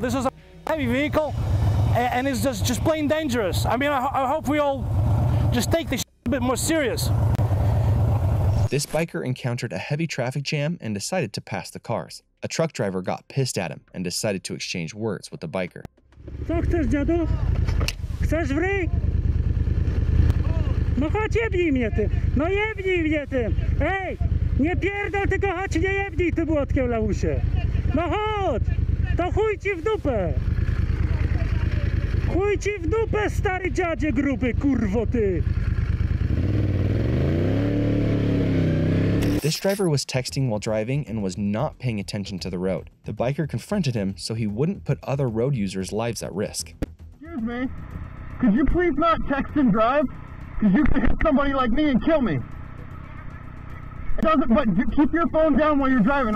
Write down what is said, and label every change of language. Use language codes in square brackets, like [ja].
[en] This is a heavy vehicle, and it's just plain dangerous. I mean, I hope we all just take this a bit more serious. This biker encountered a heavy traffic jam and decided to pass the cars. A truck driver got pissed at him and decided to exchange words with the biker. [pl] Co chcesz, dziadu? Chcesz wry? No chodź jebnij mnie ty, no jebnij mnie ty, ej, nie pierdol tylko chodź nie jebnij ty błotkiem lausie, no chodź, to chuj ci w dupę, chuj ci w dupę stary dziadzie gruby, kurwo ty. [en] This driver was texting while driving and was not paying attention to the road. The biker confronted him so he wouldn't put other road users' lives at risk. Excuse me, could you please not text and drive? Because you could hit somebody like me and kill me. It doesn't, but keep your phone down while you're driving.